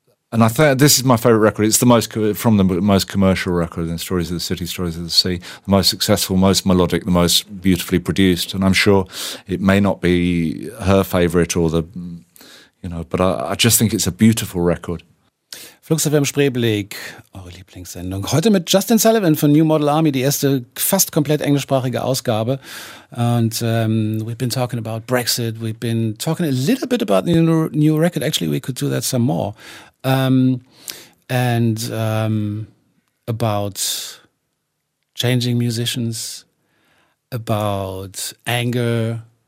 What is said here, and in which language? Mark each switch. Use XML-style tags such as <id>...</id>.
<en>And I think this is my favourite record. It's the most from the most commercial record in Stories of the City, Stories of the Sea, the most successful, most melodic, the most beautifully produced. And I'm sure it may not be her favourite or the, you know, but I just think it's a beautiful record.</en> <de>Flux FM Spreeblick, eure Lieblingssendung. Heute mit Justin Sullivan von New Model Army, die erste fast komplett englischsprachige Ausgabe.</de> <en>And we've been talking about Brexit. We've been talking a little bit about the new record. Actually, we could do that some more. About changing musicians, about anger.</en>